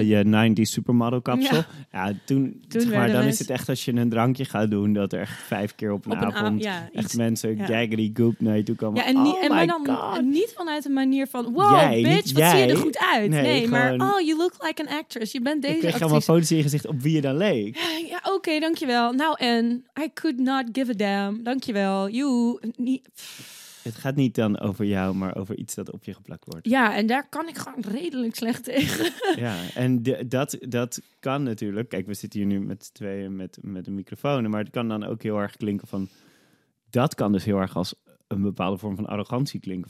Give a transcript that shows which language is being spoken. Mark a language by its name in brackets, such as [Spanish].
[Dutch] Je 90s supermodel kapsel. Ja. Ja, toen zeg maar, dan is het echt als je een drankje gaat doen... dat er echt 5 keer op een avond mensen gaggedy goop naar je toe komen. Ja, niet vanuit een manier van... Wow, jij, [English] bitch, [Dutch] jij, wat zie je er goed uit? Nee, maar gewoon, oh, [English] you look like an actress. [Dutch] Je bent deze actrice. Ik kreeg allemaal foto's in je gezicht op wie je dan leek. Ja, oké, dankjewel. [English] Nou, en I could not give a damn. [Dutch] Dankjewel. You... Het gaat niet dan over jou, maar over iets dat op je geplakt wordt. Ja, en daar kan ik gewoon redelijk slecht tegen. Ja, en dat kan natuurlijk. Kijk, we zitten hier nu met z'n tweeën met een microfoon. Maar het kan dan ook heel erg klinken van... Dat kan dus heel erg als een bepaalde vorm van arrogantie klinken.